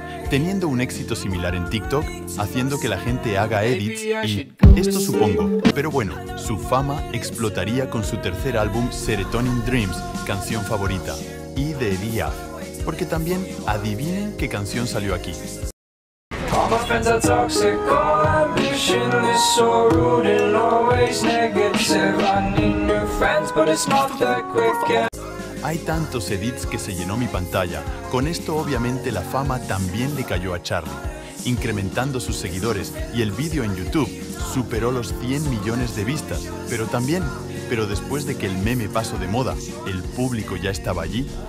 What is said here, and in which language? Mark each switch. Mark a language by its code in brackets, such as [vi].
[es] Teniendo un éxito similar en TikTok, haciendo que la gente haga edits y esto supongo. Pero bueno, su fama explotaría con su tercer álbum Serotonin Dreams, canción favorita, y de día. Porque también, adivinen qué canción salió aquí. [en] All my friends are toxic, all ambitionless, so rude and always negative. I need new friends, but it's not that quick. [es] Hay tantos edits que se llenó mi pantalla. Con esto, obviamente, la fama también le cayó a Charlie, incrementando sus seguidores, y el vídeo en YouTube superó los 100 millones de vistas. Pero después de que el meme pasó de moda, el público ya estaba allí.